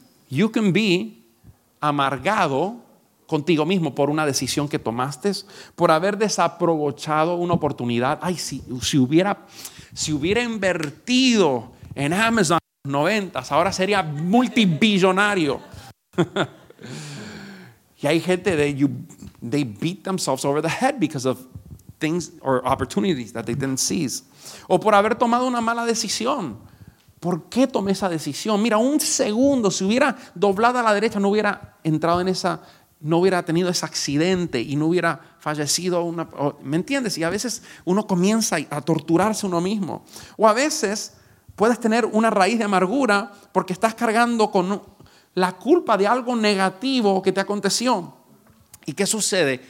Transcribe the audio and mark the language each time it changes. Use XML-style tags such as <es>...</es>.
<en>You can be</en> <es>amargado contigo mismo por una decisión que tomaste, por haber desaprovechado una oportunidad. Ay, si hubiera invertido en Amazon en los 90s, ahora sería multibillonario. Y hay gente de</es> <en>they beat themselves over the head because of things or opportunities that they didn't seize.</en> <es>O por haber tomado una mala decisión. ¿Por qué tomé esa decisión? Mira, un segundo, si hubiera doblado a la derecha, no hubiera tenido ese accidente y no hubiera fallecido una. ¿Me entiendes? Y a veces uno comienza a torturarse uno mismo. O a veces puedes tener una raíz de amargura porque estás cargando con la culpa de algo negativo que te aconteció. ¿Y qué sucede?</es>